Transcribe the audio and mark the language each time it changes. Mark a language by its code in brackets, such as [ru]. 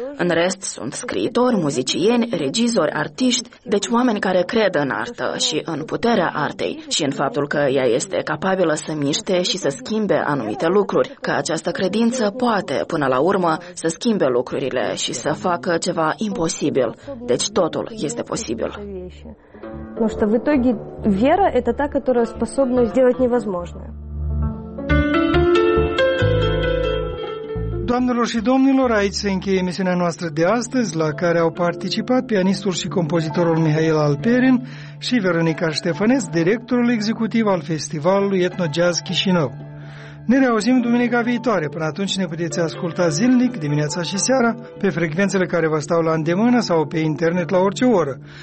[ro] În rest sunt scriitori, muzicieni, regizori, artiști, deci oameni care cred în artă și în puterea artei și în faptul că ea este capabilă să miște și să schimbe anumite lucruri, că această credință poate, până la urmă, să schimbe lucrurile și să facă ceva imposibil. Deci totul este posibil. [ru] Потому что в итоге вера — это та, которая способна сделать невозможное. [ro] Doamnelor și domnilor, aici se încheie emisiunea noastră de astăzi, la care au participat pianistul și compozitorul Mihail Alperin și Veronica Ștefănes, directorul executiv al Festivalului Etno Jazz Chișinău. Ne reauzim duminica viitoare. Până atunci ne puteți asculta zilnic, dimineața și seara, pe frecvențele care vă stau la îndemână sau pe internet la orice oră.